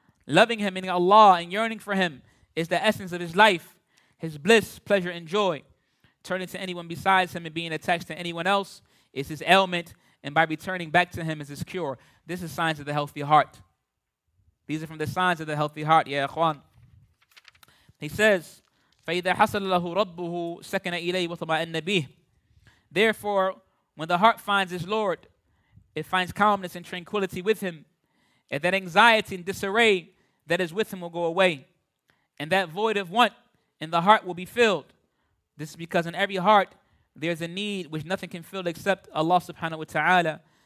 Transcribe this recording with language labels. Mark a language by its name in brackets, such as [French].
[English] Loving him, meaning Allah, and yearning for him is the essence of his life, his bliss, pleasure, and joy. Turning to anyone besides him and being attached to anyone else is his ailment, and by returning back to him is his cure. This is signs of the healthy heart. These are from the signs of the healthy heart, ya ikhwan. He says, [Arabic] فَإِذَا حَصَلَ لَهُ رَبُّهُ سَكَنَ إِلَيْهِ وَطَمَأَنَّ بِهِ. [English] Therefore, when the heart finds its Lord, it finds calmness and tranquility with him, and that anxiety and disarray that is with him will go away, and that void of want in the heart will be filled. This is because in every heart there is a need which nothing can fill except Allah subhanahu wa ta'ala.